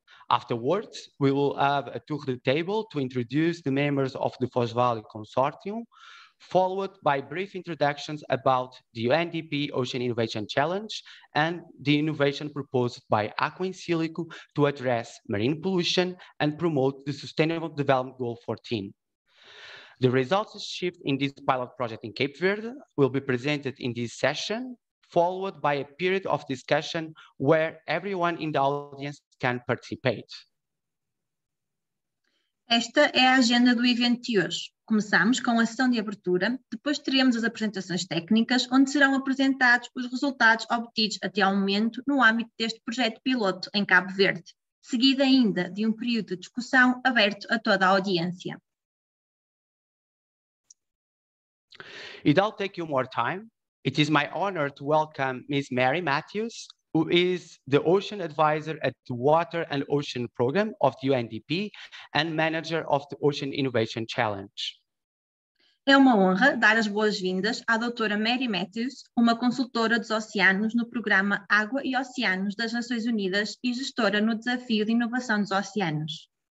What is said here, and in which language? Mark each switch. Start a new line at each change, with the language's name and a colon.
English: Afterwards, we will have a tour of the table to introduce the members of the Foz Value Consortium, followed by brief introductions about the UNDP Ocean Innovation Challenge and the innovation proposed by Aqua in Silico to address marine pollution and promote the Sustainable Development Goal 14. The results achieved in this pilot project in Cape Verde will be presented in this session, followed by a period of discussion where everyone in the audience can participate.
Portuguese: Esta é a agenda do evento de hoje. Começamos com a sessão de abertura, depois teremos as apresentações técnicas, onde serão apresentados os resultados obtidos até ao momento no âmbito deste projeto piloto em Cabo Verde, seguida ainda de um período de discussão aberto a toda a audiência.
English: It'll take you more time. It is my honor to welcome Ms. Mary Matthews, who is the Ocean Advisor at the Water and Ocean Program of the UNDP and Manager of the Ocean Innovation Challenge.
Portuguese: É uma honra dar as boas-vindas à Dra. Mary Matthews, uma consultora dos oceanos no Programa Água e Oceanos das Nações Unidas e gestora no Desafio de Inovação dos Oceanos.